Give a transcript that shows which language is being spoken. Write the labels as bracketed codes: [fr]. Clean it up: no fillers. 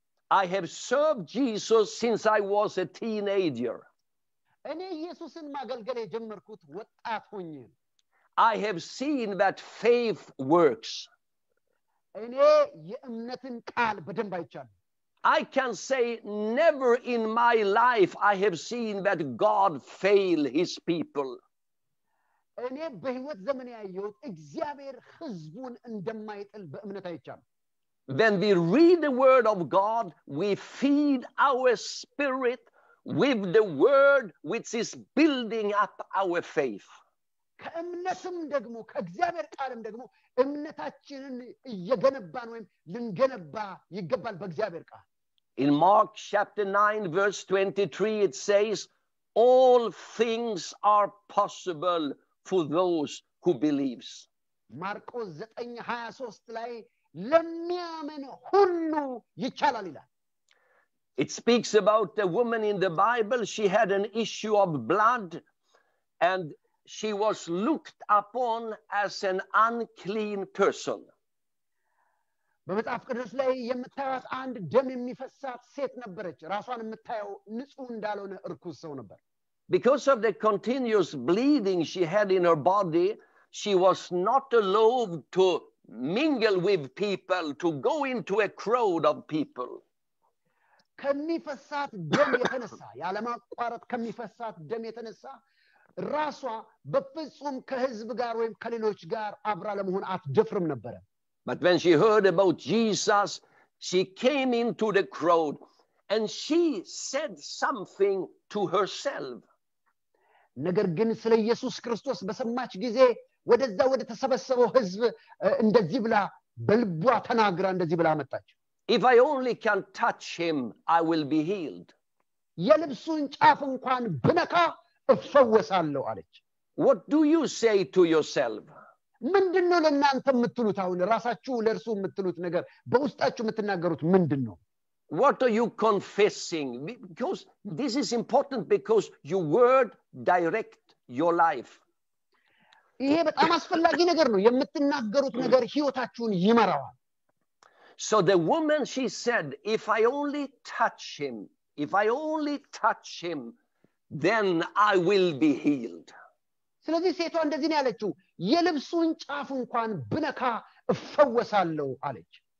[en] I have served Jesus since I was a teenager. [am] እኔ ኢየሱስን ማገልገል የጀመርኩት ወጣት ሆኜ ነው. [en] I have seen that faith works. [am] እኔ የእምነትን ቃል በደንብ አይቻለሁ. [en] I can say never in my life I have seen that God fail his people. [am] እኔ በህይወት ዘመኔ ያየሁት እግዚአብሔር ህዝቡን እንደማይጥል በእምነት አይቻለሁ. [en] when we read the word of God, we feed our spirit with the word which is building up our faith. [am] ከእምነትም ደግሞ ከእግዚአብሔር ቃልም ደግሞ እምነታችንን እየገነባን ወይም ልንገነባ ይገባል በእግዚአብሔር ቃል። [en] In Mark chapter 9 verse 23 it says all things are possible for those who believes. [am] ማርቆስ 9:23 ላይ ለሚያምን ሁሉ ይቻላል ይላል። [en] It speaks about a woman in the Bible. She had an issue of blood and she was looked upon as an unclean person. [am] በመጽሐፍ ቅዱስ ላይ የምታዩት አንድ ደም የሚፈሳት ሴት ነበረች ራሷን የምታዩ ንጹህ እንዳልሆነ እርኩስ ሰው ነበር። [en] Because of the continuous bleeding she had in her body, she was not allowed to mingle with people, to go into a crowd of people. [am] ከሚፈሳት ደም የተነሳ ያለማቋረጥ ከሚፈሳት ደም የተነሳ ራሷ በፍጹም ከህዝብ ጋር ወይም ከሌሎች ጋር አብራ ለመሆን አትደፍርም ነበር። [en] But when she heard about Jesus, she came into the crowd and she said something to herself. [am] ነገር ግን ስለ ኢየሱስ ክርስቶስ በሰማች ጊዜ ወደዛ ወደ ተሰበሰበው ህዝብ እንደዚህ ብላ በልቧ ተናግራ እንደዚህ ብላ አመጣች። [en] If I only can touch him, I will be healed. [am] የልብሱን ጫፍ እንኳን ብነካ እፈወሳለሁ አለች። [en] What do you say to yourself? [am] ምንድነው ለእናንተ የምትሉት አሁን ራሳችሁ ለርሱ የምትሉት ነገር በውስጣችሁ የምትናገሩት ምንድነው? [en] What are you confessing? Because this is important because your word direct your life. [am] ይሄ በጣም አስፈላጊ ነገር ነው የምትናገሩት ነገር ህይወታችሁን ይመራዋል። [en] So the woman she said if I only touch him if I only touch him then I will be healed. [am] ስለዚህ ሴቷ እንደዚህ ነው ያለችው የልብሱን ጫፍ እንኳን ብነካ እፈወሳለሁ አለች።